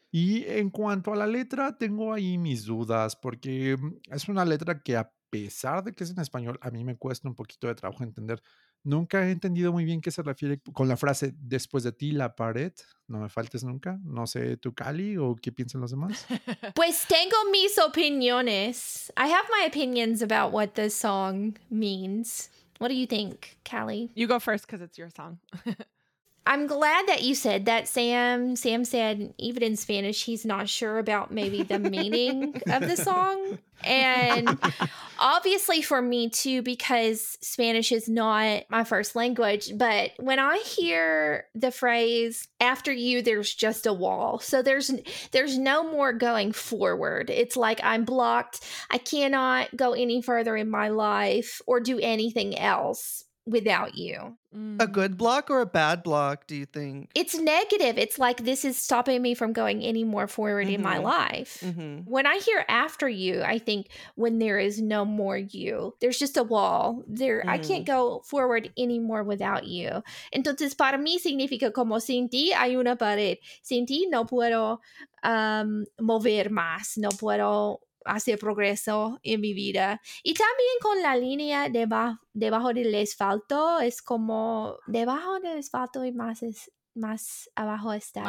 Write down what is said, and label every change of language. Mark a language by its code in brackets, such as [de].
[es] Y en cuanto a la letra, tengo ahí mis dudas, porque es una letra que, a pesar de que es en español, a mí me cuesta un poquito de trabajo entender. Nunca he entendido muy bien qué se refiere con la frase después de ti, la pared, no me faltes nunca. No sé, tú, Cali, o qué piensan los demás. Pues tengo mis opiniones. [en] I have my opinions about what this song means. What do you think, Cali? You go first because it's your song. I'm glad that you said that, Sam. Sam said, even in Spanish, he's not sure about maybe the meaning of the song. And obviously for me too, because Spanish is not my first language. But when I hear the phrase, after you, there's just a wall. So there's no more going forward. It's like I'm blocked. I cannot go any further in my life or do anything else without you. A good block or a bad block, do you think? It's negative. It's like this is stopping me from going any more forward, mm-hmm, in my life. Mm-hmm. When I hear after you, I think when there is no more you, there's just a wall there. Mm. I can't go forward anymore without you. [es] Entonces, para mí significa como sin ti hay una pared. Sin ti no puedo mover más. No puedo hacer progreso en mi vida. Y también con la línea debajo del asfalto, es como debajo del asfalto y más abajo estaría.